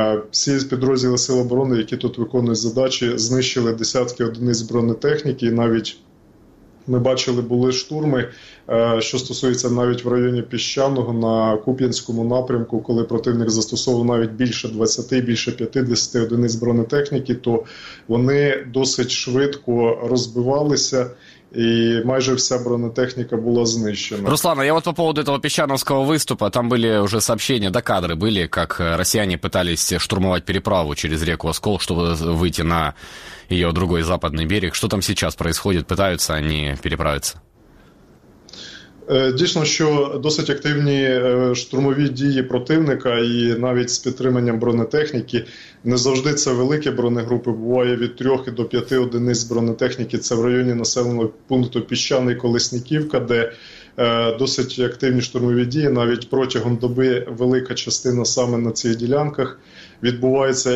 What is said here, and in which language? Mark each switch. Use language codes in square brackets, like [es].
[uk] всі підрозділи Сил оборони, які тут виконують задачі, знищили десятки одиниць бронетехніки і навіть ми бачили, були штурми, що стосується навіть в районі Піщаного на Куп'янському напрямку, коли противник застосовував навіть більше 20, більше 50 одиниць бронетехніки, то вони досить швидко розбивалися. І майже вся бронетехніка була знищена. [ru] Руслан, я вот по поводу этого Песчановского выступа, там были уже сообщения, да, кадры были, как россияне пытались штурмовать переправу через реку Оскол, чтобы выйти на ее другой западный берег. Что там сейчас происходит? Пытаются они переправиться? [uk] Дійсно, що досить активні штурмові дії противника і навіть з підтриманням бронетехніки, не завжди це великі бронегрупи, буває від 3 до 5 одиниць бронетехніки, це в районі населеного пункту Піщаний Колесниківка, де досить активні штурмові дії, навіть протягом доби велика частина саме на цих ділянках відбувається.